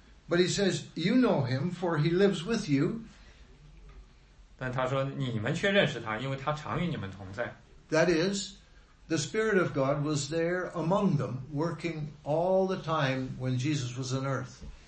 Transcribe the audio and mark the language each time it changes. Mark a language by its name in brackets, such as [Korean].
[English] But he says, you know him, for he lives with you. [Chinese] 但他说你们却认识他，因为他常与你们同在。 [English] That is, the Spirit of God was there among them, working all the time when Jesus was on earth.